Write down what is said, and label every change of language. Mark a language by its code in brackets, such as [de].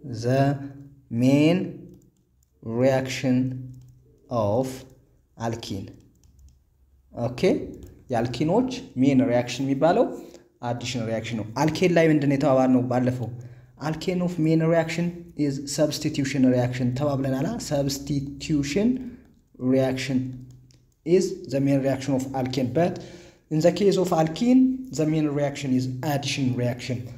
[en] The main reaction of alkene. Okay? [am] የአልኪኖች main reaction የሚባለው addition reaction ነው. አልኬን ላይ ምንድን የተባባል ነው ባለፈው? [en] alkene of main reaction is substitution reaction [am] ተባብለናል. [en] substitution reaction is the main reaction of alkene. But in the case of alkene, the main reaction is addition reaction.